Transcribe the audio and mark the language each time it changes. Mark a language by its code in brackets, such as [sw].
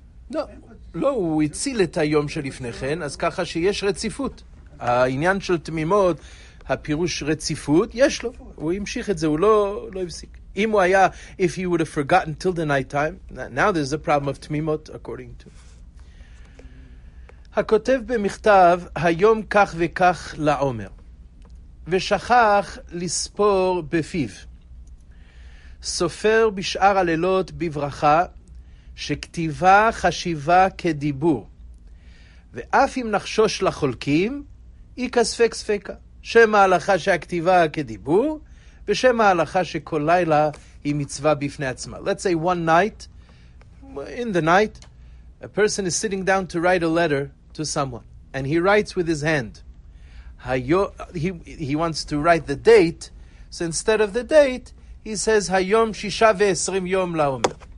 [he] לא, לא, הוא הציל את היום שלפני כן, אז ככה שיש רציפות. העניין של תמימות, הפירוש רציפות, יש לו. הוא המשיך את זה, הוא לא הפסיק. אם הוא היה, [en] if he would have forgotten till the night time, now there's a problem of תמימות, according to. [he] הכותב במכתב, היום כך וכך לעומר, ושכח לספור בפיו. סופר בשאר הלילות בברכה, שכתיבה חשיבה כדיבור. ואף אם נחשוש לחולקים, איקה ספק ספקה. שם ההלכה שהכתיבה כדיבור, בשם ההלכה שכל לילה היא מצווה בפני עצמה. [en] Let's say one night, in the night, a person is sitting down to write a letter to someone, and he writes with his hand. He wants to write the date, so instead of the date, he says, [he] "Hayom shisha ve'esrim yom la'omer."